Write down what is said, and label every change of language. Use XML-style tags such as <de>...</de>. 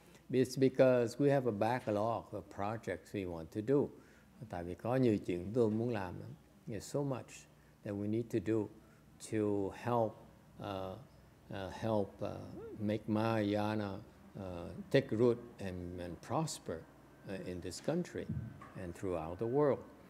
<en>It's because we have a backlog of projects we want to do.</en> <vi>Tại vì có nhiều chuyện tôi muốn làm.</vi> <en>There's so much that we need to do to help make Mahayana take root and prosper in this country and throughout the world.</en>